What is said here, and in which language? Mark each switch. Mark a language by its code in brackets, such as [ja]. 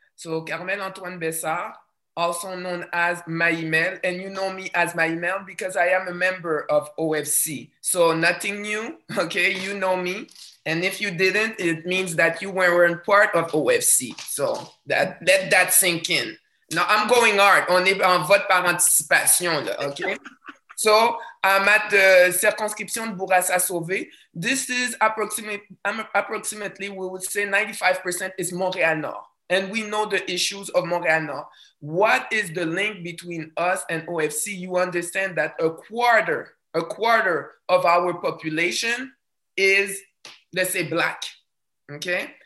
[en] So Carmel Antoine Bessard, also known as Maïmel, and you know me as Maïmel because I am a member of OFC. So nothing new, okay? You know me. And if you didn't, it means that you weren't part of OFC. So let that sink in. Now I'm going hard. [fr] On est en vote par anticipation, là, okay? [en] So I'm at the circonscription de Bourassa-Sauvé. This is approximately, we would say 95% is Montréal-Nord. And we know the issues of Montréal-Nord. What is the link between us and OFC? You understand that a quarter of our population is, let's say, Black. Okay?